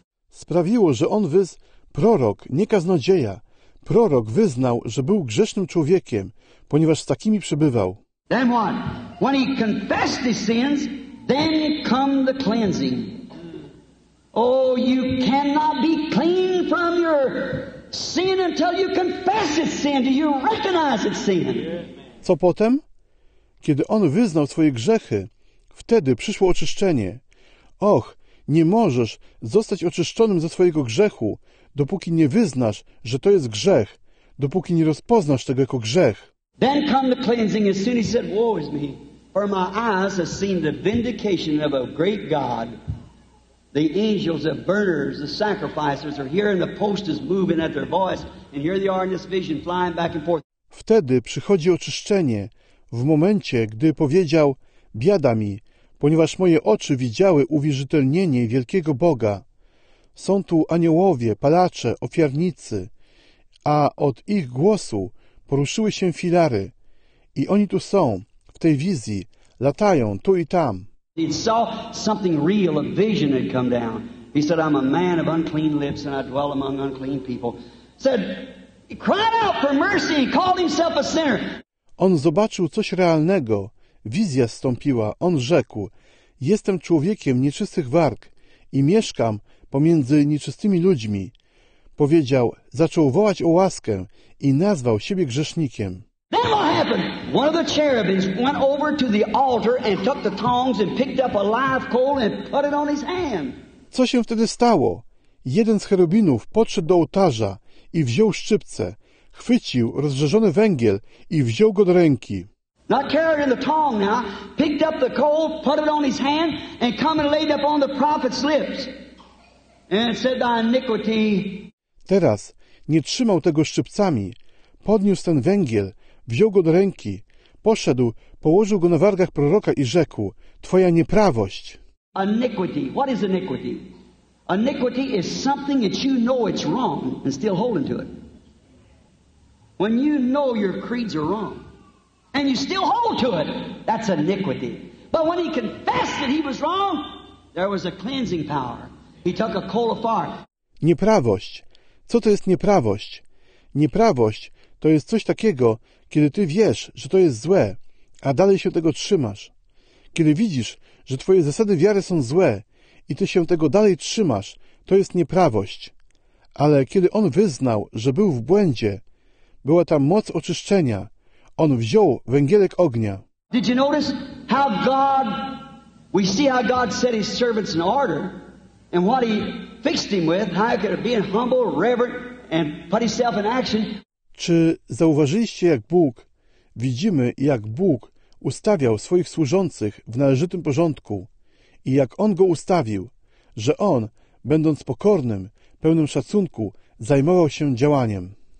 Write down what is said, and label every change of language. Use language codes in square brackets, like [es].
[pl] Sprawiło, że on prorok, nie kaznodzieja. Prorok wyznał, że był grzesznym człowiekiem, ponieważ z takimi przebywał. [en] Then what? When he confessed his sins, then come the cleansing. Oh, you cannot be clean from your sin until you confess its sin. Do you recognize its sin? [pl] Co potem? Kiedy on wyznał swoje grzechy, wtedy przyszło oczyszczenie. Och, nie możesz zostać oczyszczonym ze swojego grzechu, dopóki nie wyznasz, że to jest grzech, dopóki nie rozpoznasz tego jako grzech. [en] Then come the cleansing, as soon as he said, woe is me, for my eyes have seen the vindication of a great God. The angels, the burners, the sacrificers are here and the post is moving at their voice, and here they are in this vision flying back and forth. [pl] Wtedy przychodzi oczyszczenie, w momencie, gdy powiedział, biada mi, ponieważ moje oczy widziały uwierzytelnienie wielkiego Boga. Są tu aniołowie, palacze, ofiarnicy, a od ich głosu poruszyły się filary i oni tu są, w tej wizji, latają tu i tam. [en] He saw something real, a vision had come down. He said, I'm a man of unclean lips and I dwell among unclean people. Said, he cried out for mercy, he called himself a sinner. [pl] On zobaczył coś realnego. Wizja zstąpiła. On rzekł, jestem człowiekiem nieczystych warg i mieszkam pomiędzy nieczystymi ludźmi. Powiedział, zaczął wołać o łaskę i nazwał siebie grzesznikiem. [en] Then what happened? One of the cherubims went over to the altar and took the tongs and picked up a live coal and put it on his hand. [pl] Co się wtedy stało? Jeden z cherubinów podszedł do ołtarza i wziął szczypce, chwycił rozżarzony węgiel i wziął go do ręki. [en] Not carrying the tong now, picked up the coal, put it on his hand and come and laid it upon the prophet's lips. And said, thy iniquity. [pl] Teraz nie trzymał tego szczypcami, podniósł ten węgiel, wziął go do ręki, poszedł, położył go na wargach proroka i rzekł, twoja nieprawość. [en] Iniquity. What is iniquity? Iniquity is something that you know it's wrong and still holding to it. When you know your creeds are wrong and you still hold to it, that's iniquity. But when he confessed that he was wrong, there was a cleansing power. He took a coal of fire. [pl] Nieprawość. Co to jest nieprawość? Nieprawość to jest coś takiego, kiedy ty wiesz, że to jest złe, a dalej się tego trzymasz. Kiedy widzisz, że twoje zasady wiary są złe i ty się tego dalej trzymasz, to jest nieprawość. Ale kiedy on wyznał, że był w błędzie, była tam moc oczyszczenia, on wziął węgielek ognia. [en] Did you notice how God, we see how God set his servants in order and what he fixed him with, how he could be humble, reverent and put himself in action. [pl] Czy zauważyliście, jak Bóg, widzimy, jak Bóg ustawiał swoich służących w należytym porządku i jak On go ustawił, że On, będąc pokornym, pełnym szacunku, zajmował się działaniem.